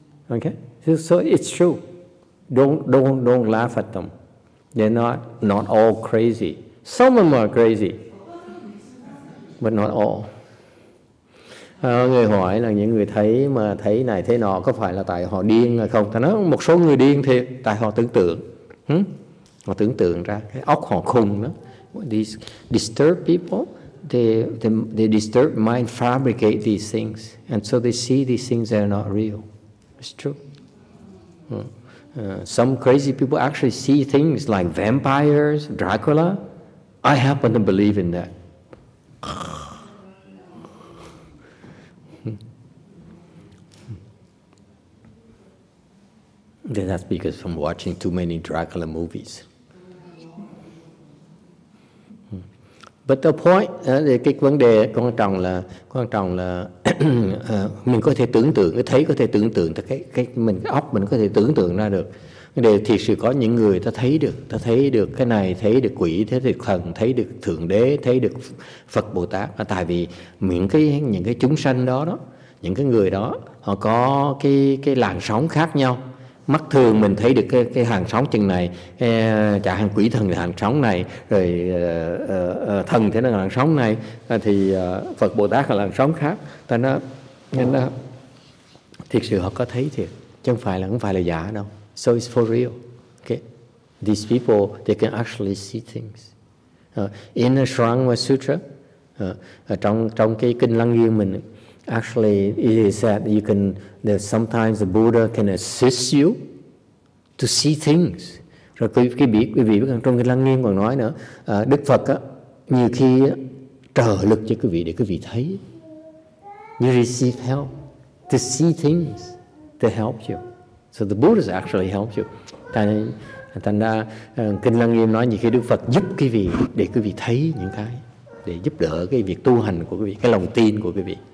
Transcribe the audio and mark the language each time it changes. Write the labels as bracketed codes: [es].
[en] Okay, so it's true. Don't laugh at them. They're not all crazy. Some of them are crazy, but not all. [vi] Người hỏi là những người thấy mà thấy này thấy nọ có phải là tại họ điên hay không? Ta nói một số người điên thì tại họ tưởng tượng. Họ tưởng tượng ra cái óc họ khùng đó. [en] These disturb people, they disturb mind, fabricate these things. And so they see these things that are not real. It's true. Some crazy people actually see things like vampires, Dracula. I happen to believe in that. That's because I'm watching too many Dracula movies. But the point, [vi] cái vấn đề quan trọng là mình có thể tưởng tượng, cái thấy có thể tưởng tượng, cái mình óc mình có thể tưởng tượng ra được. Để thiệt sự có những người ta thấy được cái này, thấy được quỷ, thấy được thần, thấy được Thượng Đế, thấy được Phật Bồ Tát. Tại vì những cái chúng sanh đó, những cái người đó, họ có cái làn sóng khác nhau. Mắt thường mình thấy được cái hàng sóng chừng này, chả hàng quỷ thần thì hàng sóng này, rồi thần thì nó là hàng sóng này, thì Phật Bồ Tát là hàng sóng khác. Ta nói, nên thiệt sự họ có thấy thiệt, chứ không phải là giả đâu. [en] So it's for real. Okay? These people, they can actually see things. In the HuiHai Sutra, [vi] trong cái kinh Lăng Nghiêm mình, [en] actually, it is that you can, that sometimes the Buddha can assist you to see things. [vi] Rồi quý vị biết trong cái Lăng Nghiêm còn nói nữa, Đức Phật á, nhiều khi á, trợ lực cho quý vị để quý vị thấy. [en] You receive help to see things to help you. So the Buddha actually helps you. [vi] Thành ra, kinh Lăng Nghiêm nói nhiều khi Đức Phật giúp quý vị để quý vị thấy những cái, để giúp đỡ cái việc tu hành của quý vị, cái lòng tin của quý vị.